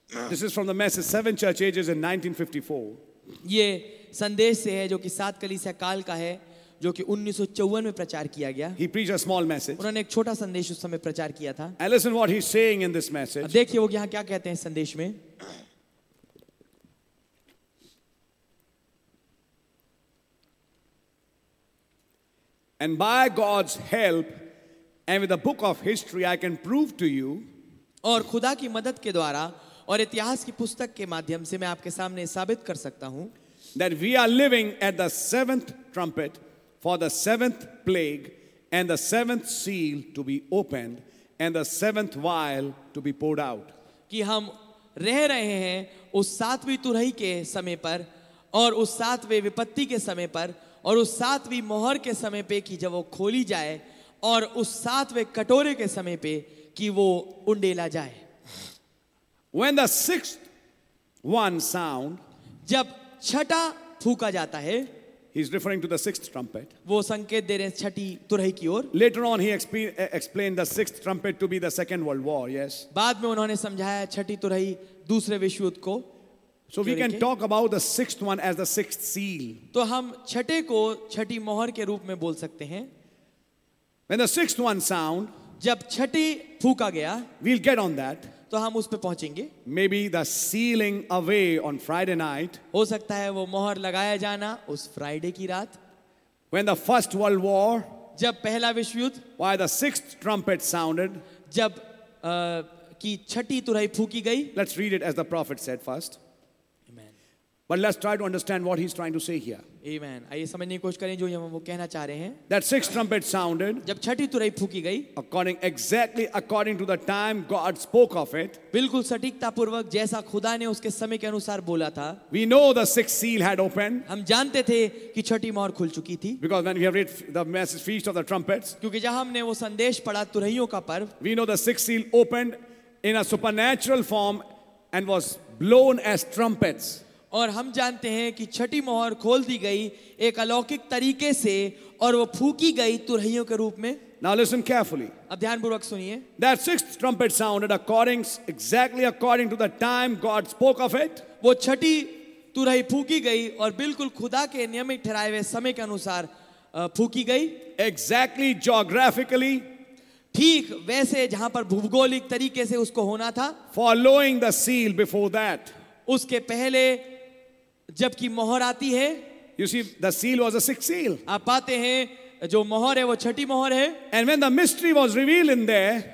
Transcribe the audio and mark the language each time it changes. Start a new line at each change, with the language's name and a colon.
English: This is from the message Seven Church Ages in 1954.
Hindi: ये संदेश से है जो कि सात कलीसिया काल का है जो कि 1954 में प्रचार किया गया.
English: He preached a small message.
Hindi: उन्होंने एक छोटा संदेश उस समय प्रचार किया था.
English: And listen what he's saying in this message.
Hindi: देखिए वो यहाँ क्या कहते हैं संदेश में.
English: And by God's help and with the book of history I can prove to you.
Hindi: और खुदा की मदद के द्वारा और इतिहास की पुस्तक के माध्यम से मैं आपके सामने साबित कर सकता हूं.
English: That we are living at the seventh trumpet for the seventh plague and the seventh seal to be opened and the seventh vial to be poured out.
Hindi: कि हम रह रहे हैं उस सातवीं तुरही के समय पर और उस सातवें विपत्ति के समय पर और उस सातवीं मोहर के समय पे कि जब वो खोली जाए और उस सातवें कटोरे के समय पे कि वो उंडेला जाए.
English: When the sixth one sound,
Hindi: जब छठा फूका जाता है,
English: he is referring to the sixth trumpet.
Hindi: वो संकेत दे रहे हैं छठी तुरही की ओर.
English: Later on, he explained the sixth trumpet to be the Second World War. Yes.
Hindi: बाद में उन्होंने समझाया छठी तुरही दूसरे विश्व युद्ध को.
English: So we can talk about the sixth one as the sixth seal.
Hindi: तो हम छठे को छठी मोहर के रूप में बोल सकते हैं.
English: When the sixth one sound,
Hindi: जब छठी फूंका गया,
English: we'll get on that.
Hindi: तो हम उस पे पहुंचेंगे.
English: Maybe the sealing away on Friday night.
Hindi: हो सकता है वो मोहर लगाया जाना उस फ्राइडे की रात.
English: When the First World War,
Hindi: जब पहला विश्व युद्ध,
English: why the sixth trumpet sounded,
Hindi: जब की छठी तुरही फूंकी गई.
English: Let's read it as the prophet said first. But let's try to understand what he's trying to say here. Amen.
Hindi: आइए समझने की कोशिश करें जो वो कहना चाह रहे हैं.
English: That sixth trumpet sounded.
Hindi: जब छठी तुरही फूंकी गई.
English: According to the time God spoke of it.
Hindi: बिल्कुल सटीकता पूर्वक जैसा खुदा ने उसके समय के अनुसार बोला था.
English: We know the sixth seal had opened.
Hindi: हम जानते थे कि छठी मोहर खुल चुकी थी.
English: Because when we have read the message feast of the trumpets.
Hindi: क्योंकि जहां हमने वो संदेश पढ़ा तुरहियों का पर्व.
English: We know the sixth seal opened in a supernatural form and was blown as trumpets.
Hindi: और हम जानते हैं कि छठी मोहर खोल दी गई एक अलौकिक तरीके से और वो फूकी गई तुरहियों के रूप में.
English: Now listen carefully.
Hindi: अब ध्यान पूर्वक सुनिए.
English: That sixth trumpet sounded according to the time God spoke of it.
Hindi: वो छठी तुरही फूकी गई और बिल्कुल खुदा के नियमित ठहराए हुए समय के अनुसार फूकी गई.
English: Exactly geographically.
Hindi: ठीक वैसे जहां पर भूगोलिक तरीके से उसको होना था.
English: Following the seal before that.
Hindi: उसके पहले जबकि मोहर आती है.
English: You see, the seal was a sixth seal.
Hindi: आप पाते हैं जो मोहर है वो छठी मोहर है.
English: And when the mystery was revealed in there,